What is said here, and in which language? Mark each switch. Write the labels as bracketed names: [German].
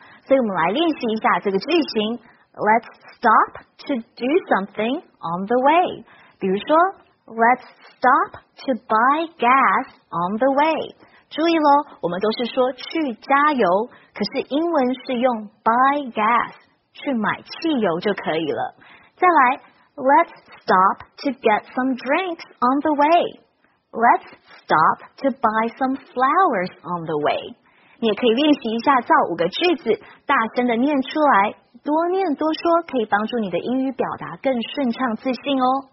[Chinese] 所以我们来练习一下这个句型。 [English] Let's stop to do something on the way. [Chinese] 比如说 [English] ，Let's stop to buy gas on the way. [Chinese] 注意咯，我们都是说去加油，可是英文是用 [English] buy gas, [Chinese] 去买汽油就可以了。再来 [English] ,let's stop to get some drinks on the way. Let's stop to buy some flowers on the way. [Chinese] 你也可以练习一下造五个句子，大声的念出来，多念多说可以帮助你的英语表达更顺畅自信哦。